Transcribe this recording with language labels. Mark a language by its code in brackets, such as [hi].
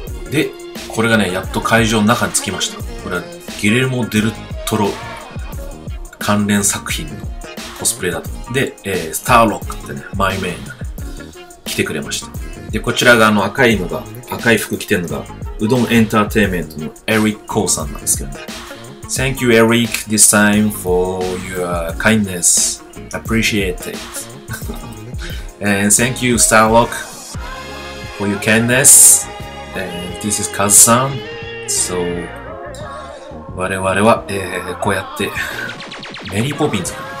[ja] で、これがね、やっと会場の中に着きました。これはギレルモ・デル・トロ関連作品のコスプレだと。で、スターロックってね、マイメインがね、来てくれました。で、こちらが赤い服着てるのが、うどんエンターテインメントのエリック・コーさんなんですけどね。 [en] Thank you, Eric, this time for your kindness. Appreciate it. And thank you, Star Rock, for your kindness. And this is Kazu-san. [ja] So, 我々は、こうやって、メリーポピンズ。